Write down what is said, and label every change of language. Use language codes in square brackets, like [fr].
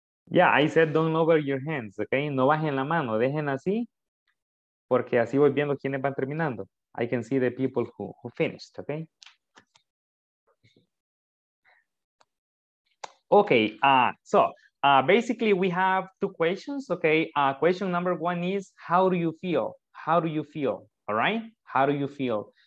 [en] Yeah, I said don't lower your hands, okay? [es] No bajen la mano, dejen así, porque así voy viendo quiénes van terminando. [en] I can see the people who finished, okay? Okay, basically we have two questions, okay? Question number one is, how do you feel? How do you feel? All right, how do you feel?